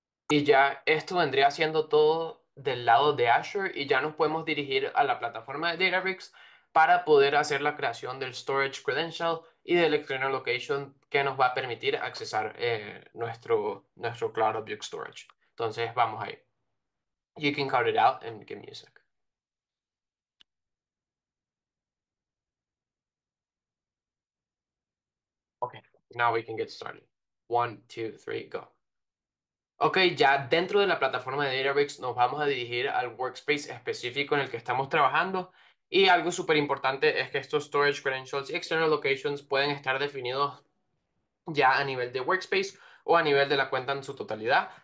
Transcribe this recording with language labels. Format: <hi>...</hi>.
<es>Y ya esto vendría siendo todo del lado de Azure y ya nos podemos dirigir a la plataforma de Databricks para poder hacer la creación del Storage Credential y del External Location que nos va a permitir accesar nuestro Cloud Object Storage. Entonces vamos ahí.</es> <en>You can cut it out and give me a sec. Okay, now we can get started. One, two, three, go.</en> <es>Ok, ya dentro de la plataforma de Databricks nos vamos a dirigir al workspace específico en el que estamos trabajando. Y algo súper importante es que estos Storage Credentials y External Locations pueden estar definidos ya a nivel de workspace o a nivel de la cuenta en su totalidad.</es>